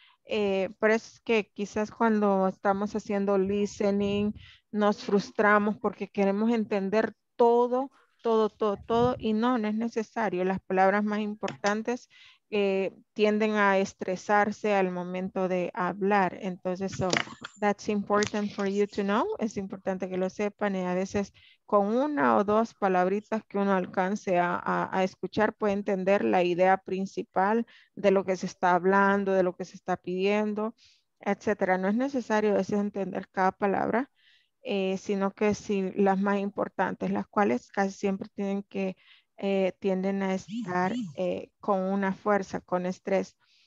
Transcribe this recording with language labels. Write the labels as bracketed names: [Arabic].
[Spanish] Por eso es que quizás cuando estamos haciendo listening, nos frustramos porque queremos entender todo, todo, todo, todo. Y no, no es necesario. Las palabras más importantes tienden a estresarse al momento de hablar. [English] Entonces, so, that's important for you to know. [Spanish] Es importante que lo sepan. Y a veces con una o dos palabritas que uno alcance a escuchar, puede entender la idea principal de lo que se está hablando, de lo que se está pidiendo, etcétera. No es necesario a veces entender cada palabra, sino que si las más importantes, las cuales casi siempre tienen que tienden a estar con una fuerza, con estrés.